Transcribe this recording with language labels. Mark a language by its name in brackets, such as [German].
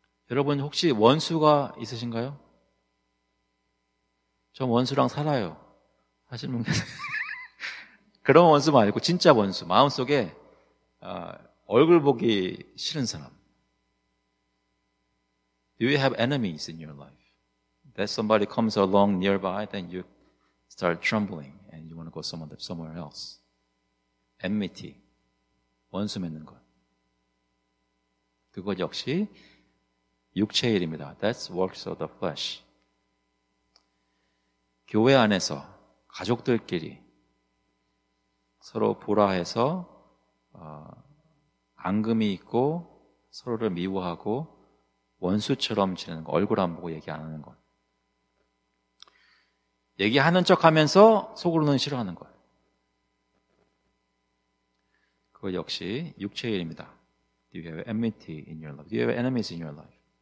[Korean] 여러분 혹시 원수가 있으신가요? 전 원수랑 살아요. 하시는 분께서 그런 원수 말고 진짜 원수 마음속에 얼굴 보기 싫은 사람. [English] Do you have enemies in your life? That somebody comes along nearby, then you start trembling and you want to go somewhere else. Enmity, [Korean] 원수 맺는 것. 그것 역시 육체의 일입니다. [English] That's works of the flesh. [Korean] 교회 안에서 가족들끼리 서로 보라해서 앙금이 있고 서로를 미워하고 원수처럼 지내는 거, 얼굴 안 보고 얘기 안 하는 것. 얘기하는 척하면서 속으로는 싫어하는 것. 그거 역시 육체의 일입니다. [English] Do you have enmity in your life? Do you have enemies in your life?